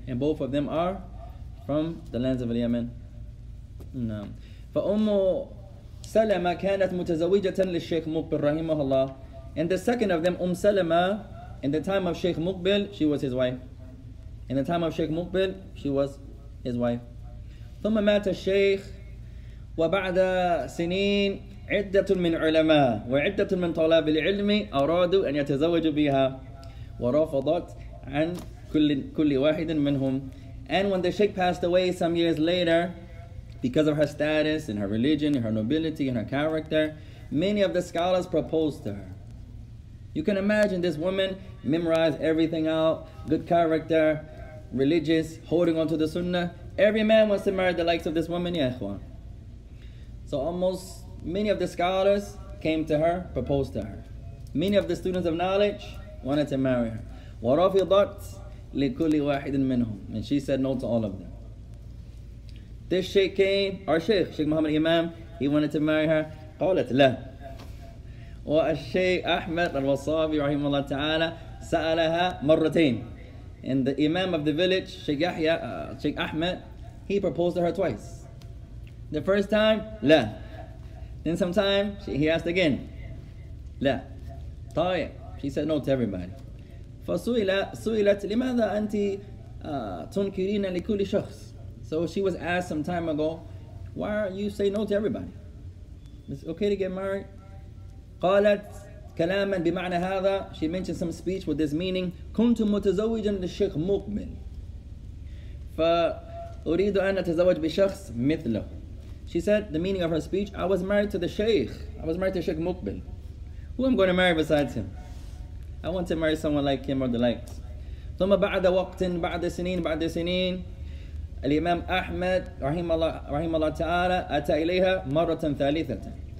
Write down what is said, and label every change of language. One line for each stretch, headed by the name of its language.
English: And both of them are from the lands of Yemen.
Arabic: No. فَأُمُّ سَلَمَا كَانَتْ مُتَزَوِّجَةً لِلشَّيْخ مُقْبِلْ رَحِمَهُ اللَّهُ.
English: And the second of them, Salama, in the time of Sheikh Muqbil, she was his wife. In the time of Sheikh Muqbil, she was his wife.
Arabic: ثم مات الشيخ وبعد سنين عدة من علماء وعدة من طلاب العلم أرادوا أن يتزوجوا بها ورفضت عن كل واحد منهم.
English: And when the sheikh passed away some years later, because of her status and her religion and her nobility and her character, many of the scholars proposed to her. You can imagine this woman memorized everything out, good character, religious, holding on to the sunnah. Every man wants to marry the likes of this woman, ya ikhwan. So almost many of the scholars came to her, proposed to her. Many of the students of knowledge wanted to marry her.
Arabic: وَرَفِضَتْ لِكُلِّ وَاحِدٍ مِّنْهُمْ.
English: And she said no to all of them. This sheikh came, our sheikh, Sheikh Muhammad Imam, he wanted to marry her.
Arabic: قَالَتْ لَا. وَالشَّيْخ أَحْمَدْ الْوَصَّابِ رَحِمُ اللَّهِ تَعَالَى سَأَلَهَا مَرَّتَيْنِ.
English: And the Imam of the village, Sheikh Yahya, Sheikh Ahmed, he proposed to her twice. The first time, la. Then sometime, he asked again, la.
Arabic: طيب.
English: She said no to everybody.
Arabic: فسُئلت لماذا أنت تنكرين لكل شخص?
English: So she was asked some time ago, why are you saying no to everybody? It's okay to get married.
Arabic: قالت كلاما بمعنى هذا.
English: She mentioned some speech with this meaning.
Arabic: كنت متزوجا للشيخ مقبل فأريد أن أتزوج بشخص مثله.
English: She said the meaning of her speech, I was married to the Sheikh. I was married to Sheikh Muqbil. Who am I going to marry besides him? I want to marry someone like him or the likes.
Arabic: ثم بعد وقت بعد سنين الإمام أحمد رحمه الله تعالى أتى إليها مرة ثالثة.